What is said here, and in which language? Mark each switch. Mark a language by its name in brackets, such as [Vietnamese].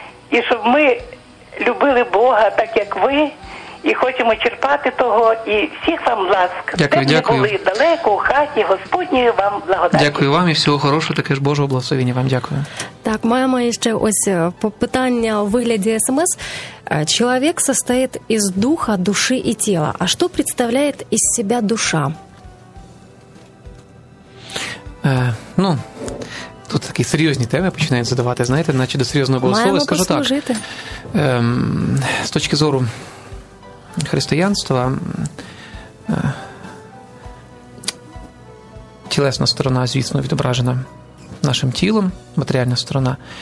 [Ukrainian] І щоб ми любили Бога так, як ви, і хочемо черпати того, і всіх вам ласк. Дякую, дякую. Були далеко у хаті, Господньої вам благодаті. Дякую вам і всього хорошого, таке ж Божого благословення вам, дякую. Так, маємо ще ось питання у вигляді смс. [Russian] Человек состоит из духа, души и тела. А что представляет из себя душа? [Ukrainian] Ну, тут такі серйозні теми починають задавати, знаєте, наче до серйозного богослова. Маємо скажу послужити. Так. З точки зору християнства, тілесна сторона, звісно, відображена нашим тілом, матеріальна сторона.